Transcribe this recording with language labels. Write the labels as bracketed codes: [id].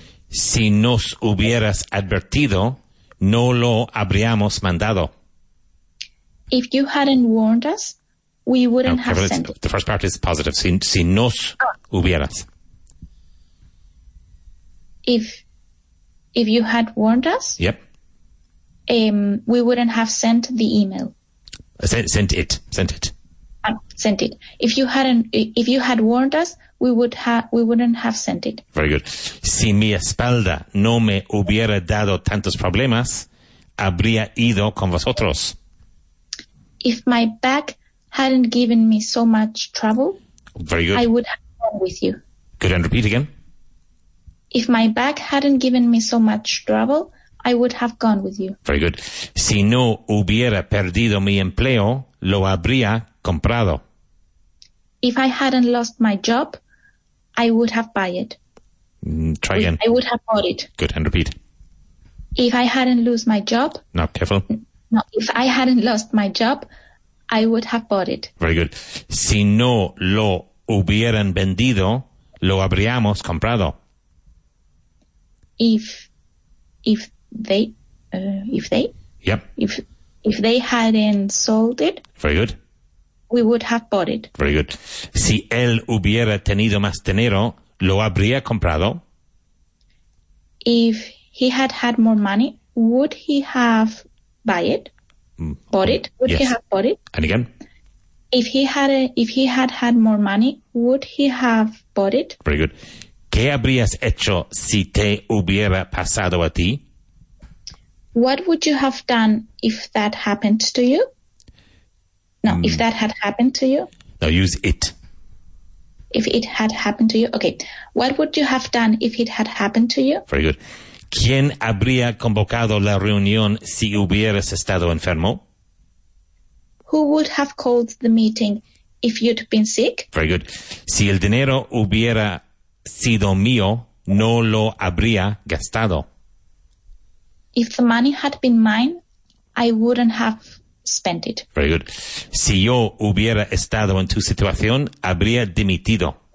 [es] Si nos hubieras advertido, no lo habríamos mandado. [en] If you hadn't warned us, we wouldn't have sent it. The first part is positive. [es] Si nos hubieras. [en] If you had warned us, yep, we wouldn't have sent the email. Sent it. If you had warned us, we wouldn't have sent it. Very good. [es] Si mi espalda no me hubiera dado tantos problemas, habría ido con vosotros. [en] If my back hadn't given me so much trouble, very good, I would have gone with you. Good, and repeat again. If my back hadn't given me so much trouble, I would have gone with you. Very good. [es] Si no hubiera perdido mi empleo, lo habría comprado. [en] If I hadn't lost my job, I would have bought it. Try again. I would have bought it. Good, and repeat. If I hadn't lost my job... No, careful. No, if I hadn't lost my job, I would have bought it. Very good. [es] Si no lo hubieran vendido, lo habríamos comprado. [en] If they hadn't sold it, very good. We would have bought it. Very good. [es] Si él hubiera tenido más dinero, lo habría comprado. [en] If he had had more money, would he have bought it? Would he have bought it? And again. If he had had more money, would he have bought it? Very good. [es] ¿Qué habrías hecho si te hubiera pasado a ti? [en] What would you have done if that happened to you? No, if that had happened to you? No, use it. If it had happened to you? Okay. What would you have done if it had happened to you? Very good. [es] ¿Quién habría convocado la reunión si hubieras estado enfermo? [en] Who would have called the meeting if you'd been sick? Very good. [es] Si el dinero hubiera... sido mío, no lo habría gastado. [en] If the money had been mine, I wouldn't have spent it. Very good. [es] Si yo hubiera estado en tu situación, habría dimitido.